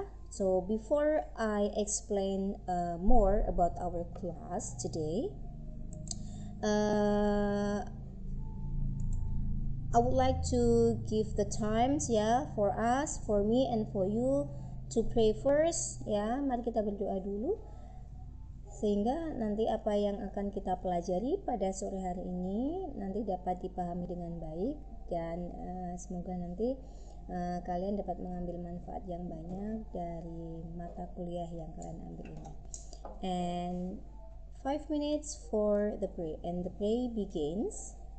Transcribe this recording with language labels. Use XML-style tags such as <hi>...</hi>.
<en>So before I explain more about our class today, I would like to give the times for us, for me and for you to pray first.</en> <id>Mari kita berdoa dulu sehingga nanti apa yang akan kita pelajari pada sore hari ini nanti dapat dipahami dengan baik, dan semoga nanti kalian dapat mengambil manfaat yang banyak dari mata kuliah yang kalian ambil ini.</id> <en>And 5 minutes for the prayer, and the prayer begins.</en>